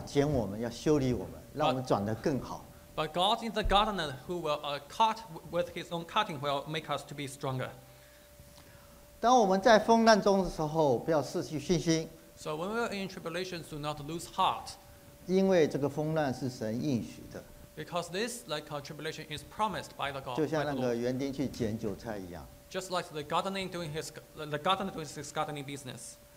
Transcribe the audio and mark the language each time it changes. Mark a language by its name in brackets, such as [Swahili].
[Chinese] 神就是那个园丁，要剪我们，要修理我们，让我们长得更好。 [English] But God is the gardener who will cut with his own cutting will make us to be stronger. [Chinese] 当我们在风难中的时候，不要失去信心。 [English] So when we are in tribulations, do not lose heart. [Chinese] 因为这个风难是神应许的。 [English] Because this like tribulation is promised by the God. [Chinese] 就像那个园丁去剪韭菜一样。 [English] Just like the gardening doing his the gardener doing his gardening business.